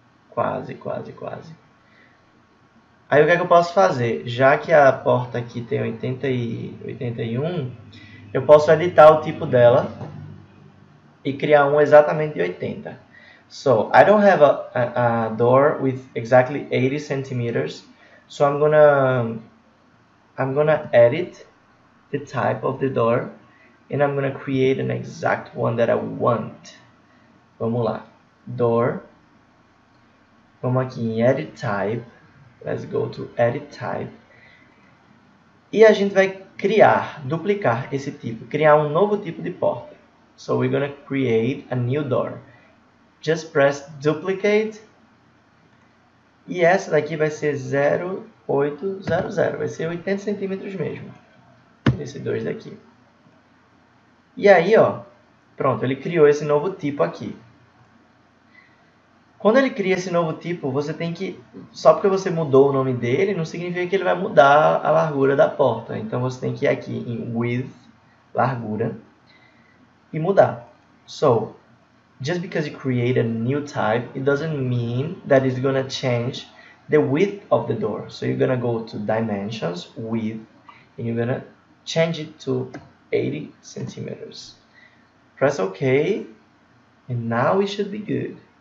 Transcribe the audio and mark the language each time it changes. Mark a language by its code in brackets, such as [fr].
[pt] Quase, quase, quase. Aí o que é que eu posso fazer? Já que a porta aqui tem 81, eu posso editar o tipo dela e criar um exatamente de 80. [en] So, I don't have a door with exactly 80 centimeters. So, I'm gonna edit the type of the door. And I'm gonna create an exact one that I want. [pt] Vamos lá. Door. Vamos aqui em edit type. [en] Let's go to edit type. [pt] E a gente vai criar, duplicar esse tipo. Criar um novo tipo de porta. [en] So, we're gonna create a new door. Just press duplicate. [pt] E essa daqui vai ser 0800. Vai ser 80 centímetros mesmo. Esse 2 daqui. E aí, ó. Pronto, ele criou esse novo tipo aqui. Quando ele cria esse novo tipo, você tem que... Só porque você mudou o nome dele, não significa que ele vai mudar a largura da porta. Então, você tem que ir aqui em width, largura, e mudar. [en] So... Just because you create a new type, it doesn't mean that it's gonna change the width of the door. So you're gonna go to dimensions, width, and you're gonna change it to 80 centimeters. Press OK, and now it should be good.